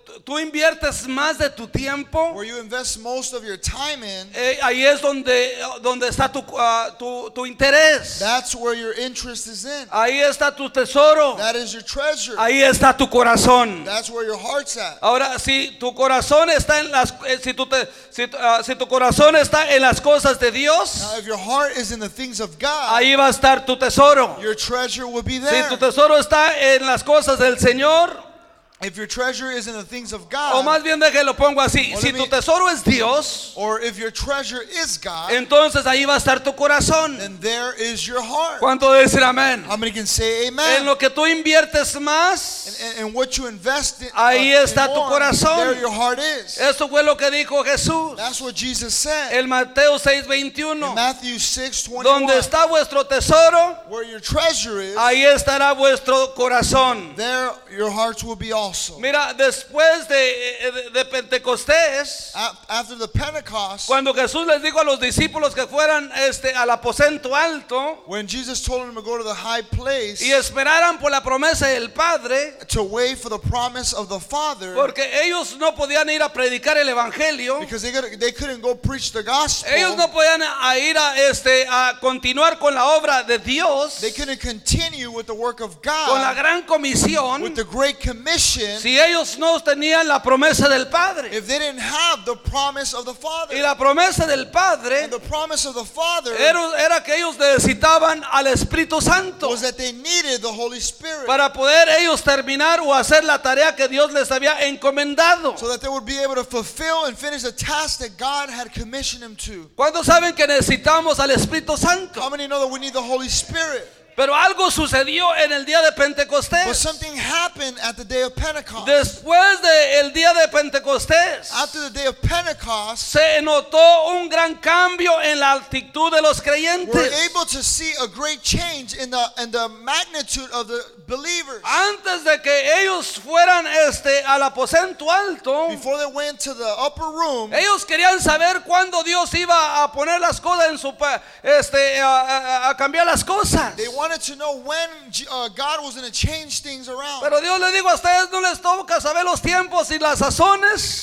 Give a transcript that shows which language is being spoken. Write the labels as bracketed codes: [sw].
[es] tú inviertes más de tu tiempo, [en] where you invest most of your time in, [es] ahí es donde está tu interés. [en] That's where your interest is in. [es] Ahí está tu tesoro. [en] That is your treasure. [es] Ahí está tu corazón. [en] That's where your heart's at. [es] Ahora, si tu corazón está en las si tu corazón está en las cosas de Dios, [en] now, if your heart is in the things of God, [es] ahí va a estar tu tesoro. [en] Your treasure will be there. [es] Si tu tesoro está en las cosas del Señor, [en] if your treasure is in the things of God, [es] o más bien déjelo pongo así, si tu tesoro es Dios, [en] or if your treasure is God, [es] entonces ahí va a estar tu corazón. [en] And there is your heart. [es] ¿Cuánto decir amén? [en] How many can say amen? [es] En lo que tú inviertes más, [en] and what you invest in, [es] ahí está tu corazón. [en] There your heart is. [es] Eso fue lo que dijo Jesús. [en] That's what Jesus said. [es] En Mateo 6:21. [en] Matthew 6:21. [es] Donde está vuestro tesoro, [en] where your treasure is, [es] ahí estará vuestro corazón. [en] There your hearts will be also. [es] Mira, después de Pentecostés, [en] after the Pentecost, [es] cuando Jesús les dijo a los discípulos que fueran al aposento alto, [en] when Jesus told them to go to the high place, [es] y esperaran por la promesa del Padre, [en] to wait for the promise of the Father, [es] porque ellos no podían ir a predicar el evangelio, [en] because they couldn't go preach the gospel, [es] ellos no podían ir a continuar con la obra de Dios, [en] they couldn't continue with the work of God, [es] con la gran comisión, [en] with the great commission. [es] Si ellos no tenían la promesa del Padre, [en] if they didn't have the promise of the Father, [es] y la promesa del Padre, [en] and the promise of the Father, [es] era que ellos necesitaban al Espíritu Santo, [en] was that they needed the Holy Spirit, [es] para poder ellos terminar o hacer la tarea que Dios les había encomendado, [en] so that they would be able to fulfill and finish the task that God had commissioned them to. [es] ¿Cuántos saben que necesitamos al Espíritu Santo? [en] How many know that we need the Holy Spirit? [es] Pero algo sucedió en el día de Pentecostés. [en] But something happened at the day of Pentecost. [es] Después del día de Pentecostés, [en] after the day of Pentecost, [es] se notó un gran cambio en la actitud de los creyentes. [en] We're able to see a great change in the magnitude of the believers. [es] Antes de que ellos fueran al aposento alto, [en] before they went to the upper room, [es] ellos querían saber cuándo Dios iba a poner las cosas en su a cambiar las cosas. [en] They wanted to know when God was going to change things around. [es] Pero Dios le dijo, a ustedes no les toca saber los tiempos y las sazones.